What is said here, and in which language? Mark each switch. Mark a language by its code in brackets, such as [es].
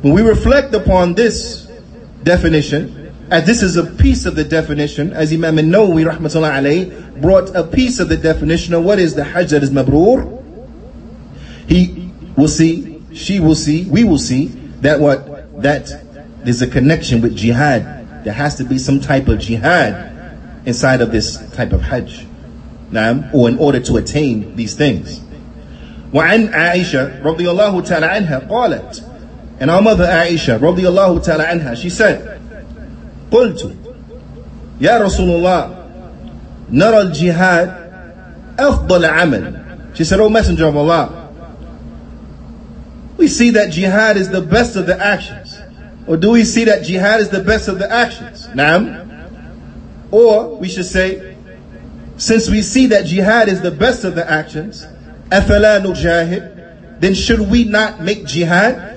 [en] When we reflect upon this definition, as this is a piece of the definition, as Imam An-Nawawi rahmatullah alayhi brought a piece of the definition of what is the Hajj that is mabrur, he will see, she will see, we will see that what, that there's a connection with jihad. There has to be some type of jihad inside of this type of Hajj. Naam, or in order to attain these things. [ar] وعن عائشة رضي الله تعالى عنها قالت, [en] and our mother Aisha [ar] رضي الله تعالى عنها, she said, قلت يا رسول الله نرى الجهاد أفضل عمل. [en] She said, oh Messenger of Allah, we see that jihad is the best of the actions. Or do we see that jihad is the best of the actions? Naam. Or we should say, since we see that jihad is the best of the actions, [ar] أَفَلَا نُجَاهِدْ, [en] then should we not make jihad?